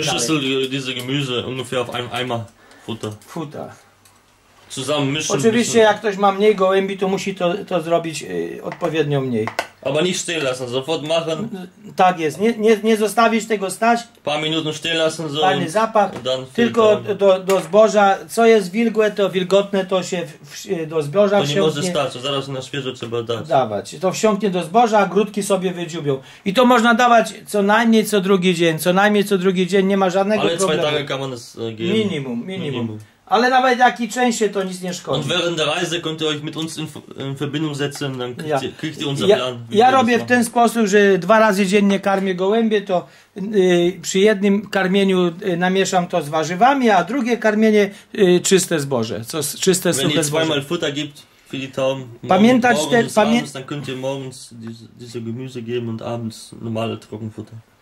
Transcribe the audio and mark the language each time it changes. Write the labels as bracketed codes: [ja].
[de] Eine Schüssel diese Gemüse ungefähr auf einem Eimer Futter. Zusammen mischen. [pl] Oczywiście jak ktoś ma mniej gołębi, to musi to zrobić odpowiednio mniej. [de] Aber nicht stehen lassen, sofort machen. [pl] Tak jest, nie zostawić tego stać. [de] Paar Minuten stehen lassen so. [pl] Fajny zapach. Tylko do zboża, co jest wilgłe, to wilgotne, to się do zboża wsiąknie. To nie może stać, to zaraz na świeżo trzeba dać. Dawać, to wsiąknie do zboża, a grudki sobie wydziubią. I to można dawać co najmniej co drugi dzień, nie ma żadnego ale problemu. Ale [de] 2 tage kann man das geben. Minimum. [pl] Ale nawet jak i częściej, to nic nie szkodzi. [de] Und während der Reise könnt ihr euch mit uns in Verbindung setzen, dann kriegt ihr unser Plan. [pl] Ja robię w ten sposób, że 2 razy dziennie karmię gołębie, to przy jednym karmieniu namieszam to z warzywami, a drugie karmienie czyste zboże, czyste suche zboże. [de] Wenn ihr zweimal Futter gibt für die Tauben, morgens, dann könnt ihr morgens diese Gemüse geben und abends normale Trockenfutter.